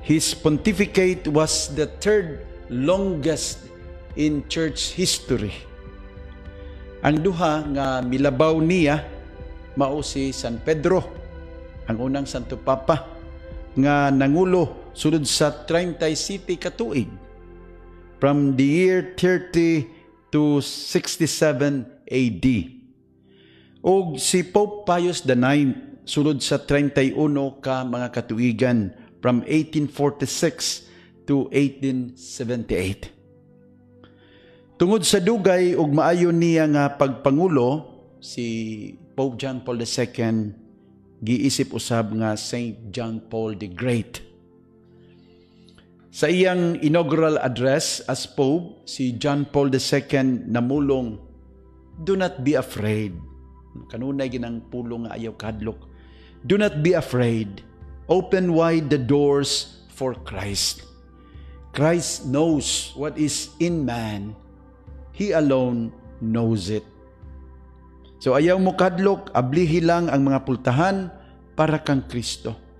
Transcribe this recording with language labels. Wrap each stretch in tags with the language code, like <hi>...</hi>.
<en>His pontificate was the third longest in church history.</en> <ceb>Ang duha nga milabaw niya mao si San Pedro, ang unang Santo Papa nga nangulo sulod sa 30 city ka tuig,</ceb> <en>from the year 30 to 67 AD.</en> <ceb>Og si Pope Pius IX sulod sa 31 ka mga katuigan,</ceb> <en>from 1846 to 1878.</en> <ceb>Tungod sa dugay og maayo niya nga pagpangulo, si Pope John Paul II giisip usab nga St.</ceb> <en>John Paul the Great.</en> <ceb>Sa iyang inaugural address as Pope, si John Paul II namulong,</ceb> <en>"Do not be afraid."</en> <ceb>Kanunay ginang pulong nga ayaw kadlok.</ceb> <en>"Do not be afraid. Open wide the doors for Christ. Christ knows what is in man. He alone knows it."</en> <ceb>So ayaw mo kadlok, ablihi lang ang mga pultahan para kang Kristo.</ceb>